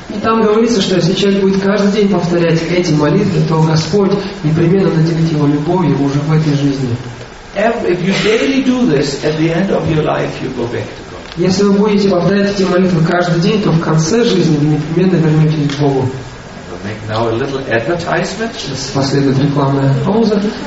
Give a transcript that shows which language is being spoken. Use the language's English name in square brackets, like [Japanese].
[Russian] И там говорится, что если человек будет каждый день повторять эти молитвы, то Господь непременно наделит его любовью уже в этой жизни. [English] If you daily do this, at the end of your life, you go back to God. [Russian] Если вы будете повторять эти молитвы каждый день, то в конце жизни вы непременно вернетесь к Богу. [English] I'll make now a little advertisement. [Russian] Сейчас последует рекламная пауза.